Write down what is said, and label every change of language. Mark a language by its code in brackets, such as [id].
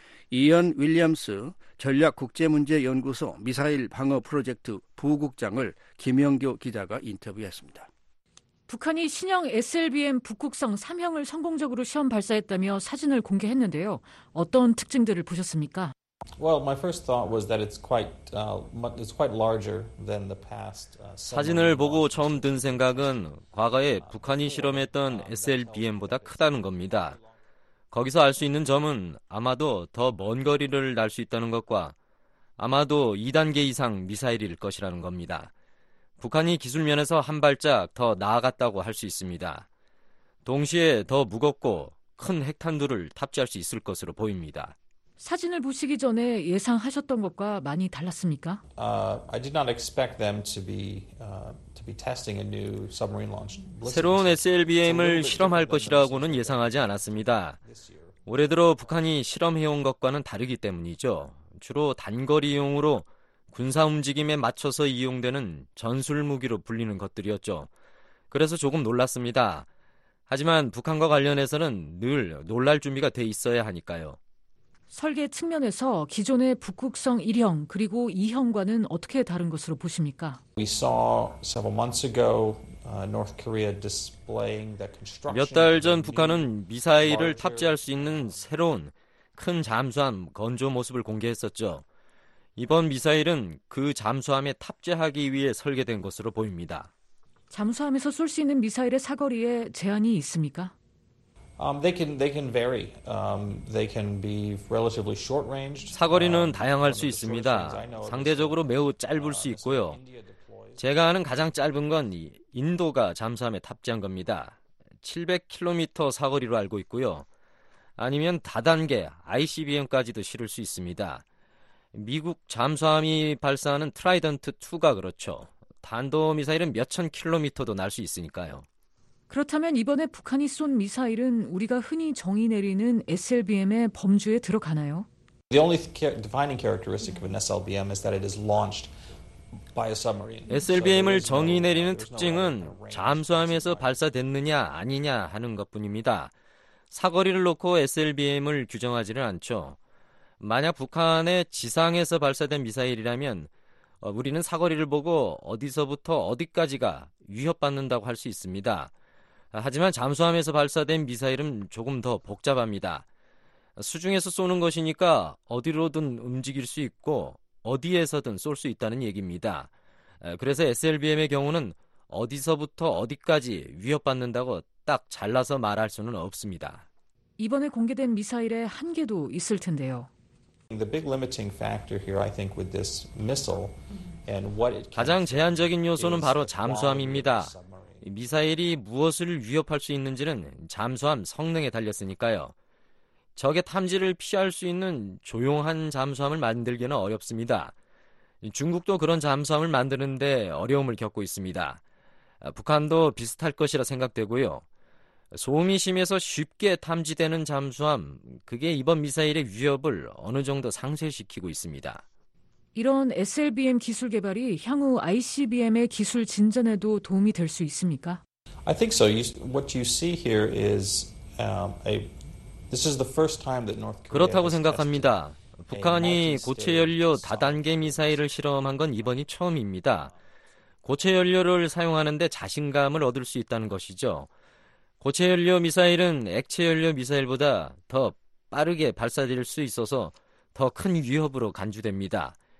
[ko] 이언 윌리엄스 전략국제문제연구소 미사일 방어 프로젝트 부국장을 김영교 기자가 인터뷰했습니다. 북한이 신형 SLBM 북극성 3형을 성공적으로 시험 발사했다며 사진을 공개했는데요. 어떤 특징들을 보셨습니까? [en] Well, my first thought was that it's quite larger than the past. [ko] 사진을 보고 처음 든 생각은 과거에 북한이 실험했던 SLBM보다 크다는 겁니다. 거기서 알 수 있는 점은 아마도 더 먼 거리를 날 수 있다는 것과 아마도 2단계 이상 미사일일 것이라는 겁니다. 북한이 기술 면에서 한 발짝 더 나아갔다고 할 수 있습니다. 동시에 더 무겁고 큰 핵탄두를 탑재할 수 있을 것으로 보입니다. 사진을 보시기 전에 예상하셨던 것과 많이 달랐습니까? [en] I did not expect them to be to be testing a new submarine launch. [ko] 새로운 SLBM을 실험할 것이라고는 예상하지 않았습니다. 올해 들어 북한이 실험해온 것과는 다르기 때문이죠. 주로 단거리용으로 군사 움직임에 맞춰서 이용되는 전술 무기로 불리는 것들이었죠. 그래서 조금 놀랐습니다. 하지만 북한과 관련해서는 늘 놀랄 준비가 돼 있어야 하니까요. 설계 측면에서 기존의 북극성 1형 그리고 2형과는 어떻게 다른 것으로 보십니까? [en] We saw several months ago North Korea displaying the construction. [ko] 몇 달 전 북한은 미사일을 탑재할 수 있는 새로운 큰 잠수함 건조 모습을 공개했었죠. 이번 미사일은 그 잠수함에 탑재하기 위해 설계된 것으로 보입니다. 잠수함에서 쏠 수 있는 미사일의 사거리에 제한이 있습니까? [en] They can vary. They can be relatively short-ranged. [ko] 사거리는 다양할 수 있습니다. 상대적으로 매우 짧을 수 있고요. 제가 아는 가장 짧은 건 인도가 잠수함에 탑재한 겁니다. 700km 사거리로 알고 있고요. 아니면 다단계 ICBM까지도 실을 수 있습니다. 미국 잠수함이 발사하는 트라이던트 2가 그렇죠. 탄도미사일은 몇천 킬로미터도 날 수 있으니까요. 그렇다면 이번에 북한이 쏜 미사일은 우리가 흔히 정의 내리는 SLBM의 범주에 들어가나요? [en] The only defining characteristic of an SLBM is that it is launched by a submarine. [ko] SLBM을 정의 내리는 특징은 잠수함에서 발사됐느냐 아니냐 하는 것뿐입니다. 사거리를 놓고 SLBM을 규정하지는 않죠. 만약 북한의 지상에서 발사된 미사일이라면 우리는 사거리를 보고 어디서부터 어디까지가 위협받는다고 할 수 있습니다. 하지만 잠수함에서 발사된 미사일은 조금 더 복잡합니다. 수중에서 쏘는 것이니까 어디로든 움직일 수 있고 어디에서든 쏠 수 있다는 얘기입니다. 그래서 SLBM의 경우는 어디서부터 어디까지 위협받는다고 딱 잘라서 말할 수는 없습니다. 이번에 공개된 미사일의 한계도 있을 텐데요. [en] The big limiting factor here, I think, with this missile and what it [ko] 가장 제한적인 요소는 바로 잠수함입니다. 미사일이 무엇을 위협할 수 있는지는 잠수함 성능에 달렸으니까요. 적의 탐지를 피할 수 있는 조용한 잠수함을 만들기는 어렵습니다. 중국도 그런 잠수함을 만드는데 어려움을 겪고 있습니다. 북한도 비슷할 것이라 생각되고요. 소음이 심해서 쉽게 탐지되는 잠수함, 그게 이번 미사일의 위협을 어느 정도 상쇄시키고 있습니다. 이런 SLBM 기술 개발이 향후 ICBM의 기술 진전에도 도움이 될 수 있습니까? [en] I think so. What you see here is this is the first time that North Korea [ko] 그렇다고 생각합니다. 북한이 고체 연료 다단계 미사일을 실험한 건 이번이 처음입니다. 고체 연료를 사용하는데 자신감을 얻을 수 있다는 것이죠. 고체 연료 미사일은 액체 연료 미사일보다 더 빠르게 발사될 수 있어서 더 큰 위협으로 간주됩니다.